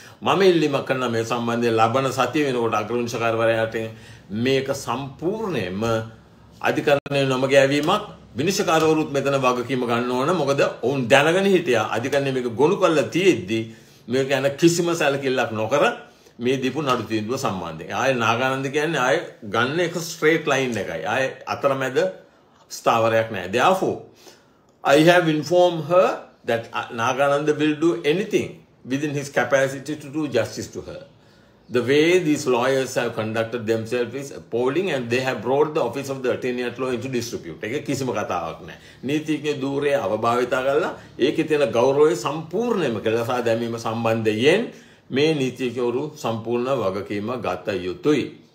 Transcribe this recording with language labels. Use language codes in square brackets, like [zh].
[si] මම ඉල්ලීමක් කරන මේ සම්බන්ධයෙන් ලබන සතිය වෙනකොට අග්‍රවිනිශ්චකාරවරයාට මේක සම්පූර්ණයෙන්ම අධිකරණය නොමග යැවීමක්. විනිශ්චකාරවරුත් මෙතන වගකීම ගන්න ඕන. මොකද ඔවුන් දැනගෙන හිටියා අධිකරණය මේක ගොනු කරලා තියෙද්දි මේක ගැන කිසිම සැලකිල්ලක් නොකර මේ දීපු නඩු තීන්දුව සම්බන්ධයෙන්. ආයේ නාගානන්ද කියන්නේ ආයේ ගන්න එක ස්ට්‍රේට් ලයින් එකයි. ආයේ අතරමැද ස්ථාවරයක් නැහැ. [en] therefore I have informed her that Nagananda will do anything within his capacity to do justice to her. The way these lawyers have conducted themselves is appalling and they have brought the office of the attorney at law into disrepute. [si] ඒක කිසිම කතාවක් නැහැ. නීතිඥයේ ධූරය අවභාවිතා කරලා ඒකේ තියෙන ගෞරවය සම්පූර්ණයෙන්ම කළසා දැමීම සම්බන්ධයෙන් මේ නීතිඥවරු සම්පූර්ණ වගකීම ගත යුතුයි.